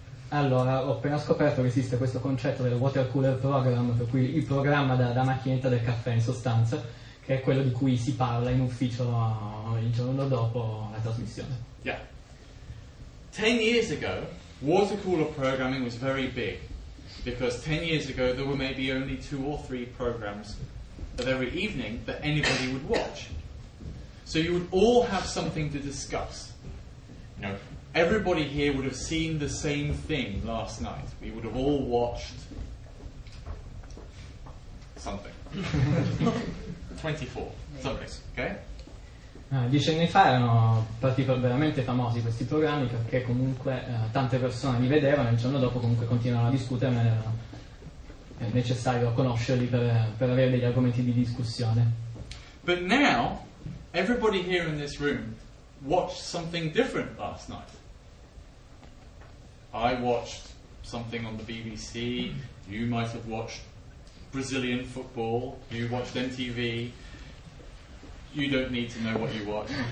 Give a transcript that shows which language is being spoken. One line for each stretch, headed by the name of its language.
Italian: Allora, ho appena scoperto che esiste questo concetto del water cooler program, per cui il programma da macchinetta del caffè in sostanza, che è quello di cui si parla in ufficio il giorno dopo la trasmissione.
English: Yeah. 10 years ago, water cooler programming was very big, because 10 years ago there were maybe only 2 or 3 programs of every evening that anybody would watch. So you would all have something to discuss. You know, everybody here would have seen the same thing last night. We would have all watched something. 24. Maybe. Something, okay?
Italian: 10 anni fa erano veramente famosi questi programmi perché comunque tante persone li vedevano e il giorno dopo comunque continuavano a discutere, ma era necessario conoscerli per avere degli argomenti di discussione.
English: But now, everybody here in this room watched something different last night. I watched something on the BBC, you might have watched Brazilian football, you watched MTV, you don't need to know what you watch.